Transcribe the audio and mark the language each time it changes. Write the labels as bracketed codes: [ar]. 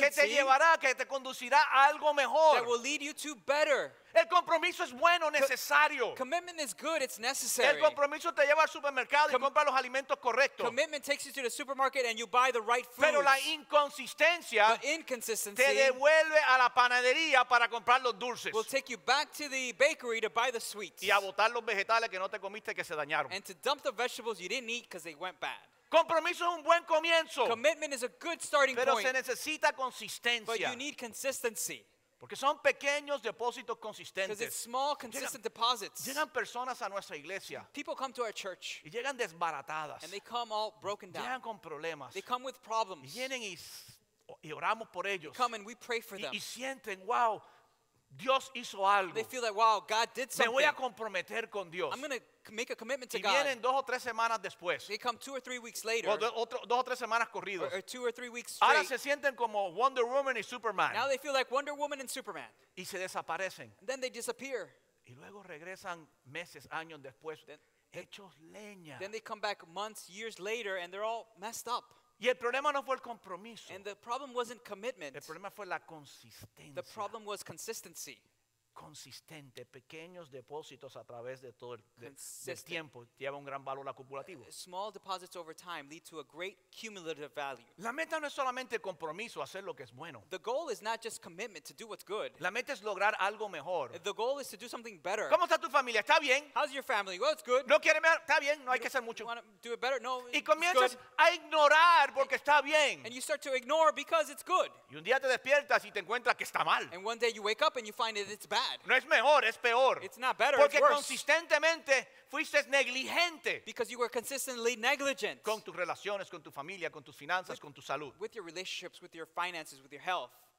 [es] que te llevará, que te conducirá a algo mejor. [en] That will lead you to better. [es] El compromiso es bueno, necesario. [en] Commitment is good, it's necessary. [es] El compromiso te lleva al supermercado y compra los alimentos correctos. [en] Commitment takes you to the supermarket and you buy the right foods. [es] Pero la inconsistencia te devuelve a la panadería para comprar los dulces. [en] Will take you back to the bakery to buy the sweets. [es] Y a botar los vegetales que no te comiste que se dañaron. [en] And to dump the vegetables you didn't eat because they went bad. [es] Compromiso es un buen comienzo. [en] Commitment is a good starting [es] pero [en] point. [es] Pero se necesita consistencia. [en] But you need consistency. [es] Porque son pequeños depósitos consistentes. [en] Because it's small, consistent deposits. [es] Llegan personas a nuestra iglesia. [en] People come to our church. [es] Y llegan desbaratadas. [en] And they come all broken down. [es] Llegan con problemas. [en] They come with problems. [es] Y vienen y oramos por ellos. [en] They come and we pray for them. [es] Y sienten, wow, Dios hizo algo. [en] They feel like, wow, God did something. [es] Me voy a comprometer con Dios. [en] I'm going to make a commitment to God. [es] Y vienen dos o tres semanas después. [en] They come 2 or 3 weeks later. [es] Dos o tres semanas corridos. [en] Or 2 or 3 weeks straight. [es] Ahora se sienten como Wonder Woman y Superman. [en] Now they feel like Wonder Woman and Superman. [es] Y se desaparecen. [en] And then they disappear. [es] Y luego regresan meses, años después, hechos leña. [en] Then they come back months, years later, and they're all messed up. [es] Y el problema no fue el compromiso. [en] And the problem wasn't commitment. [es] El problema fue la consistencia. [en] The problem was consistency. [es] Consistente, pequeños depósitos a través de todo el tiempo lleva un gran valor acumulativo. [en] Small deposits over time lead to a great cumulative value. [es] La meta no es solamente el compromiso, hacer lo que es bueno. [en] The goal is not just commitment to do what's good. [es] La meta es lograr algo mejor. [en] The goal is to do something better. [es] ¿Cómo está tu familia? ¿Está bien? [en] How's your family? Well, it's good. [es] ¿No quiere mejor? Está bien, no hay que hacer mucho. [en] You want to do it better? No, [es] y comienzas [en] it's good. [es] A ignorar porque está bien. [en] And you start to ignore because it's good. [es] Y un día te despiertas y te encuentras que está mal. [en] And one day you wake up and you find that it's bad. [es] No es mejor, es peor. [en] It's not better, [es] porque [en] it's worse. [es] Consistentemente fuiste negligente. [en] Because you were consistently negligent. [es] Con tus relaciones, con tu familia, con tus finanzas, con tu salud. [en] With your relationships, with your finances, with your health.